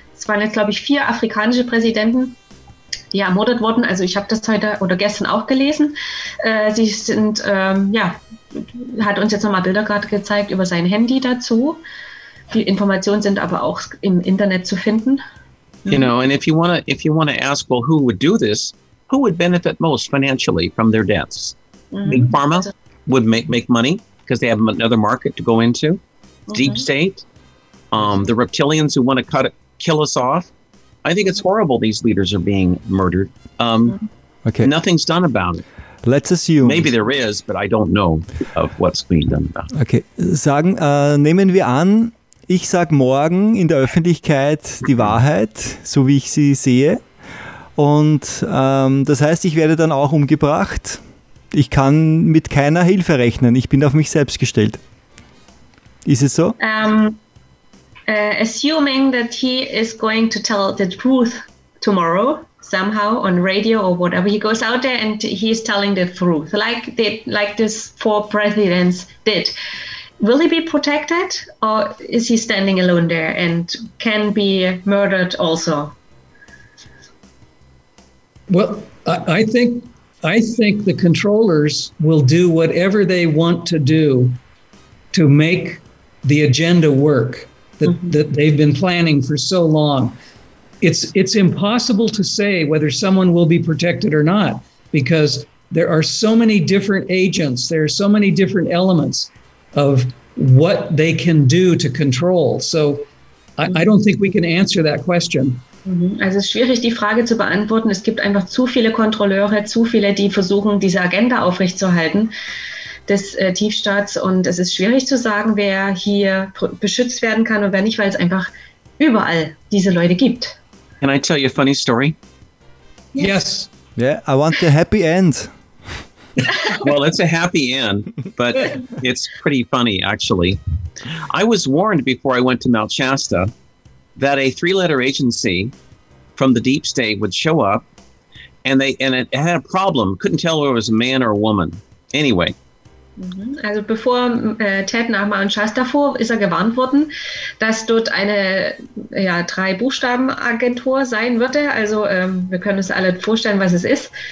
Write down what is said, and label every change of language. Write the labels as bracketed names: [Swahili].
[German] Es waren jetzt, glaube ich, 4 afrikanische Präsidenten, die ermordet wurden. Also ich habe das heute oder gestern auch gelesen. Sie sind, hat uns jetzt nochmal Bilder gerade gezeigt über sein Handy dazu. Die Informationen sind aber auch im Internet zu finden. [English] You know, and if you want to ask, well, who would do this? Who would benefit most financially from their deaths? Mm-hmm. Big pharma would make money because they have another market to go into. Mm-hmm. Deep state, the reptilians who want to kill us off. I think it's horrible these leaders are being murdered. Okay. Nothing's done about it. Let's assume. Maybe there is, but I don't know of what's being done about it. Okay. [German] Nehmen wir an, ich sage morgen in der Öffentlichkeit die Wahrheit, so wie ich sie sehe. Und das heißt, ich werde dann auch umgebracht. Ich kann mit keiner Hilfe rechnen. Ich bin auf mich selbst gestellt. Ist es so? [English] Assuming that he is going to tell the truth tomorrow, somehow on radio or whatever, he goes out there and he is telling the truth, like these four presidents did. Will he be protected, or is he standing alone there and can be murdered also? Well, I think the controllers will do whatever they want to do to make the agenda work that they've been planning for so long. It's impossible to say whether someone will be protected or not, because there are so many different agents, there are so many different elements of what they can do to control. So I don't think we can answer that question. [German] Also es ist schwierig, die Frage zu beantworten. Es gibt einfach zu viele Kontrolleure, zu viele, die versuchen, diese Agenda aufrechtzuerhalten des Tiefstaats. Und es ist schwierig zu sagen, wer hier beschützt werden kann und wer nicht, weil es einfach überall diese Leute gibt. [English] Can I tell you a funny story? Yes. Yeah, I want the happy end. Well, it's a happy end, but it's pretty funny, actually. I was warned before I went to Mount Shasta that a three-letter agency from the deep state would show up, and it had a problem. Couldn't tell whether it was a man or a woman. Anyway. [German] Also bevor Ted nach Mount Shasta fuhr, ist er gewarnt worden, dass dort eine Drei-Buchstaben-Agentur sein würde. Also wir können uns alle vorstellen, was es ist.